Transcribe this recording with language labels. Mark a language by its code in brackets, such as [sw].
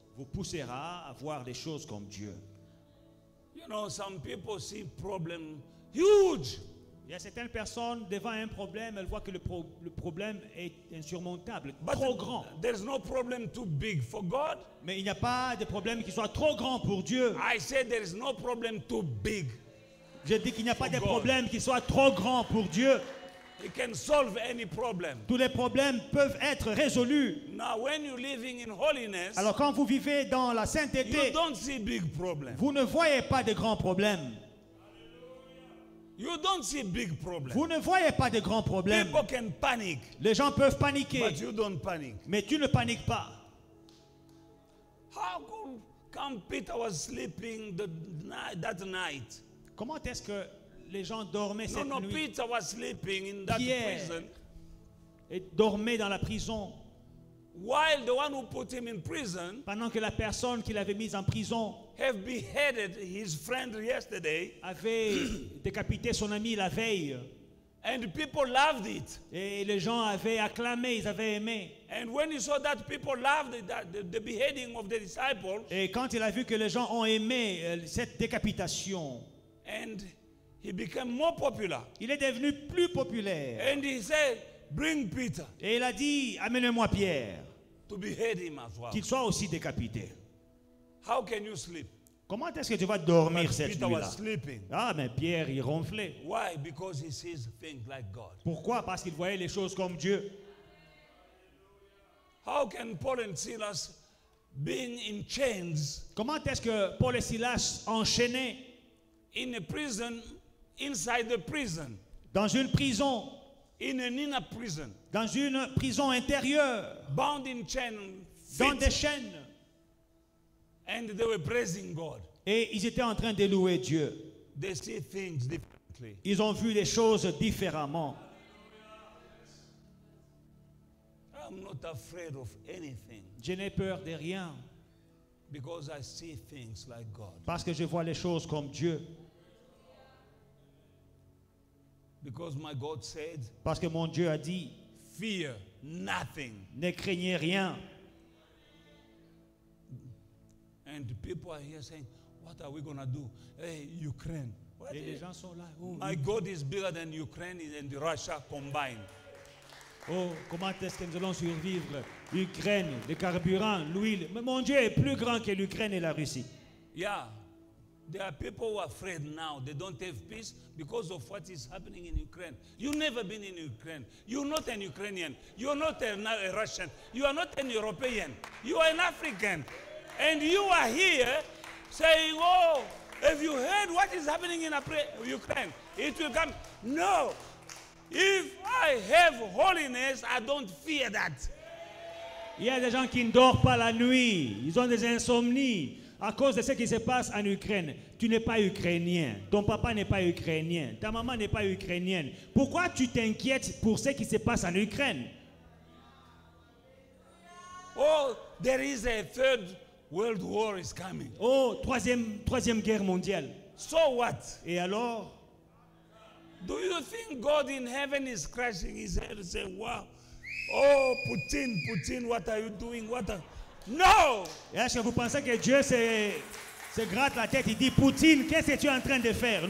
[fr] Vous poussera à voir les choses comme Dieu. [en] You know, some people see problem huge. [fr] Il y a certaines personnes devant un problème, elles voient que le problème est insurmontable, [en] but [fr] trop grand. [en] There's no problem too big for God. [fr] Mais il n'y a pas de problème qui soit trop grand pour Dieu. [en] I say there is no problem too big. [fr] Je dis qu'il n'y a pas de problème qui soit trop grand pour Dieu. [en] He can solve any problem. [fr] Tous les problèmes peuvent être résolus. [en] Now, when you're living in holiness, [fr] alors quand vous vivez dans la sainteté, [en] you don't see big problems. [fr] Vous ne voyez pas de grands problèmes. [en] You don't see big problems. [fr] Vous ne voyez pas de grands problèmes. [en] People can panic. [fr] Les gens peuvent paniquer. [en] But you don't panic. [fr] Mais tu ne paniques pas. [en] How come Peter was sleeping that night? [fr] Comment est-ce que les gens dormaient cette nuit? [en] Peter was sleeping in that prison. [fr] Et dormait dans la prison. [en] While the one who put him in prison, [fr] pendant que la personne qui l'avait mis en prison [en] have beheaded his friend yesterday, [fr] avait décapité son ami la veille. [en] And people loved it. [fr] Et les gens avaient acclamé, ils avaient aimé. [en] And when he saw that people loved the beheading of the disciples, [fr] et quand il a vu que les gens ont aimé cette décapitation, [en] and he became more popular. [fr] Il est devenu plus populaire. [en] And he said, "Bring Peter." [fr] Et il a dit, amenez-moi Pierre. [en] To behead him as well. [fr] Qu'il soit aussi décapité. [en] How can you sleep? [fr] Comment est-ce que tu vas dormir cette [en] Peter [fr] nuit-là? [en] Was sleeping. [fr] Ah, mais Pierre, il ronflait. [en] Why? Because he sees things like God. [fr] Pourquoi? Parce qu'il voyait les choses comme Dieu. [en] How can Paul and Silas being in chains? [fr] Comment est-ce que Paul et Silas enchaînés? [en] In a prison, inside the prison. [fr] Dans une prison. [en] In an inner prison. [fr] Dans une prison intérieure. [en] Bound in chains. [fr] Dans des chaînes. [en] And they were praising God. [fr] Et ils étaient en train de louer Dieu. [en] They see things differently. [fr] Ils ont vu les choses différemment. [en] I'm not afraid of anything. [fr] Je n'ai peur de rien. [en] Because I see things like God. [fr] Parce que je vois les choses comme Dieu. [en] Because my God said, [fr] parce que mon Dieu a dit, [en] fear nothing. [fr] Ne craignez rien. [en] And people are here saying, what are we going to do? Hey, Ukraine. What [fr] et les gens sont là. Oh, [en] my God is bigger than Ukraine and Russia combined. [fr] Oh, comment est-ce que nous allons survivre? Ukraine, le carburant, l'huile. Mais mon Dieu est plus grand que l'Ukraine et la Russie. [en] Yeah. There are people who are afraid now. They don't have peace because of what is happening in Ukraine. You've never been in Ukraine. You're not an Ukrainian. You're not a Russian. You are not an European. You are an African. And you are here saying, oh, have you heard what is happening in Ukraine? It will come. No. If I have holiness, I don't fear that. [fr] Il y a des gens qui ne dorment pas la nuit. Ils ont des insomnies à cause de ce qui se passe en Ukraine. Tu n'es pas ukrainien. Ton papa n'est pas ukrainien. Ta maman n'est pas ukrainienne. Pourquoi tu t'inquiètes pour ce qui se passe en Ukraine? [en] Oh, there is a third world war is coming. [fr] Oh, troisième guerre mondiale. [en] So what? [fr] Et alors? [en] Do you think God in heaven is scratching his head and saying, wow, oh, Poutine, what are you doing? No! [fr] Est-ce que vous pensez que Dieu se gratte la tête, il dit, Poutine, qu'est-ce que tu es en train de faire?